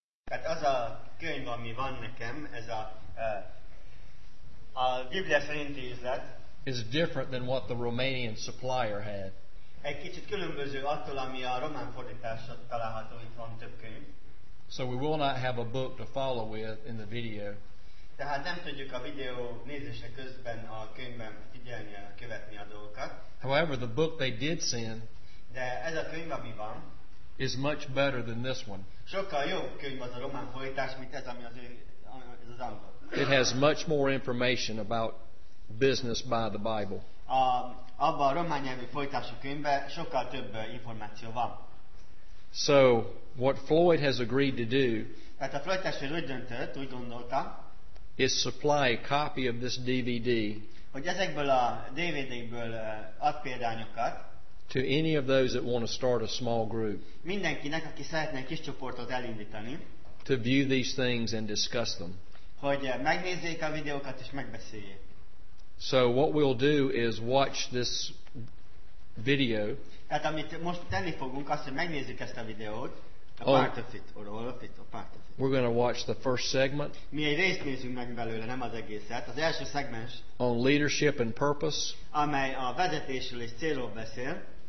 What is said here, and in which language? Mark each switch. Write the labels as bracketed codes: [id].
[hu] Hát az a könyv, ami van nekem, ez a Biblia szerinti üzlet, [en] is different than what the Romanian supplier had. [hu] Egy kicsit különböző attól, ami a román fordításot található, itt van több könyv. [en] So we will not have a book to follow with in the video. [hu] Tehát nem tudjuk a videó nézése közben a könyvben figyelni, követni a dolgokat. [en] However, the book they did send, [hu] de ez a könyv, ami van, [en] is much better than this one. [hu] Sokkal jobb könyv az a román fordítás, mint ez, ami az angol. [en] It has much more information about business by the Bible. [hu] Abba a román nyelvű folytású könyvben sokkal több információ van. [en] So, what Floyd has agreed to do, [hu] tehát a Floyd testvér úgy döntött, úgy gondolta, [en] is supply a copy of this DVD, [hu] hogy ezekből a DVD-ből ad példányokat, [en] to any of those that want to start a small group, [hu] mindenkinek, aki szeretne kis csoportot elindítani, [en] to view these things and discuss them, [hu] hogy megnézzék a videókat és megbeszéljék. [en] So what we'll do is watch this video. [hu] Hát amit most tenni fogunk, azt, hogy megnézzük ezt a videót. [en] A part of it. We're going to watch the first segment. [hu] Mi egy részt nézünk meg belőle, nem az egészet. Az első szegmens. On leadership and purpose. Amely a vezetésről és célról beszél.